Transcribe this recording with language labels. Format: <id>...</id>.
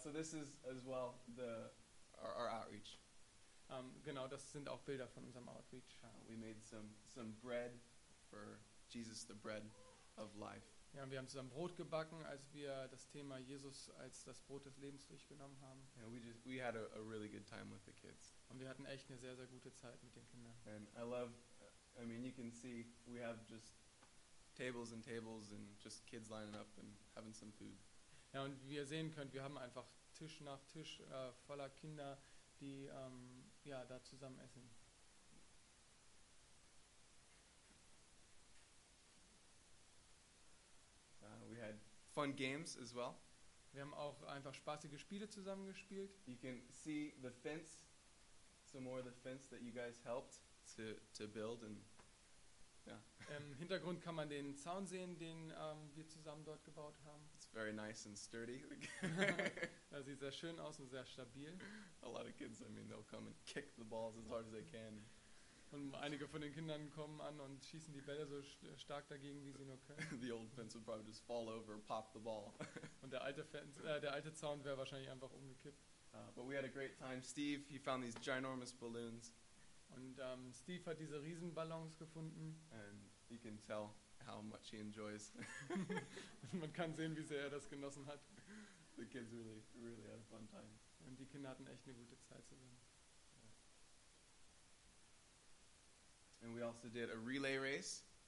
<en>So this is as well our outreach.</en> <de>Genau, das sind auch Bilder von unserem Outreach.</de> <en>We made some bread for Jesus, the bread of life.</en> <de>Ja, wir haben zusammen Brot gebacken, als wir das Thema Jesus als das Brot des Lebens durchgenommen haben.</de> <en>And we had a really good time with the kids.</en> <de>Und wir hatten echt eine sehr, sehr gute Zeit mit den Kindern.</de> <en>And I love, I mean, you can see we have just tables and tables and just kids lining up and having some food.</en> <de>Ja, und wie ihr sehen könnt, wir haben einfach Tisch nach Tisch voller Kinder, die ja, da zusammen essen.</de> <en>We had fun games as well.</en> <de>Wir haben auch einfach spaßige Spiele zusammen gespielt.</de> <en>You can see the fence, some more of the fence that you guys helped to build and yeah.</en> <de>Im Hintergrund kann man den Zaun sehen, den wir zusammen dort gebaut haben.</de> <en>It's very nice and sturdy.</en> <de>Das sieht sehr schön aus und sehr stabil.</de> <en>A lot of kids, I mean, they'll come and kick the balls as hard as they can.</en> <de>Und einige von den Kindern kommen an und schießen die Bälle so stark dagegen, wie sie nur können.</de> <en>The old fence would probably just fall over and pop the ball.</en> <de>Und der alte Zaun wäre wahrscheinlich einfach umgekippt.</de> <en>But we had a great time. Steve, he found these ginormous balloons.</en> <de>Und Steve hat diese Riesenballons gefunden.</de> <en>And you can tell how much he enjoys.</en> <de>Man kann sehen, wie sehr er das genossen hat.</de> <en>The kids really, really had a fun time.</en> <de>Und die Kinder hatten echt eine gute Zeit zusammen.</de> <en>And we also did a relay race.</en>